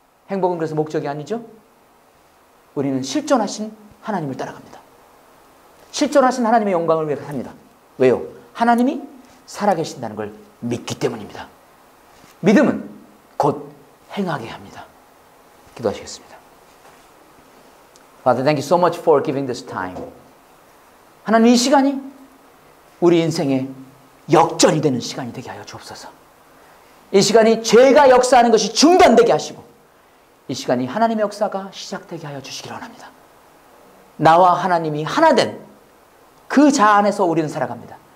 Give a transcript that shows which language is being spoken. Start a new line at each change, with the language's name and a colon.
Korean: 행복은 그래서 목적이 아니죠. 우리는 실존하신 하나님을 따라갑니다. 실존하신 하나님의 영광을 위해 삽니다. 왜요? 하나님이 살아계신다는 걸 믿기 때문입니다. 믿음은 곧 행하게 합니다. 기도하시겠습니다.
English: Father, thank you so much for giving this time.
Korean: 하나님 이 시간이 우리 인생의 역전이 되는 시간이 되게 하여 주옵소서. 이 시간이 죄가 역사하는 것이 중단되게 하시고 이 시간이 하나님의 역사가 시작되게 하여 주시기를 원합니다. 나와 하나님이 하나 된 그 자 안에서 우리는 살아갑니다.